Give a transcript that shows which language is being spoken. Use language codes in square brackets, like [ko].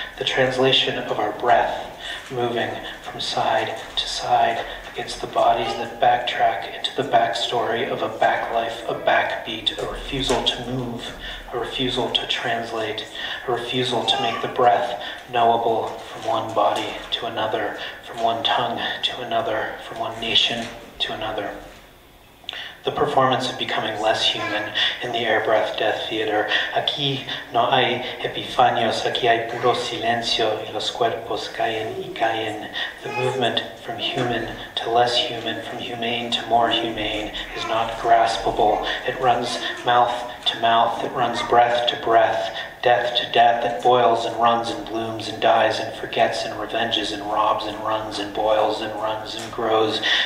[en] The translation of our breath moving from side to side against the bodies that backtrack into the backstory of a backlife, a backbeat, a refusal to move, a refusal to translate, a refusal to make the breath knowable from one body to another, from one tongue to another, from one nation to another. The performance of becoming less human in the Air Breath Death Theater. [es] Aquí no hay epifanios, aquí hay puro silencio y los cuerpos caen y caen. [en] The movement from human to less human, from humane to more humane, is not graspable. It runs mouth to mouth, it runs breath to breath, death to death. It boils and runs and blooms and dies and forgets and revenges and robs and runs and boils and runs and grows.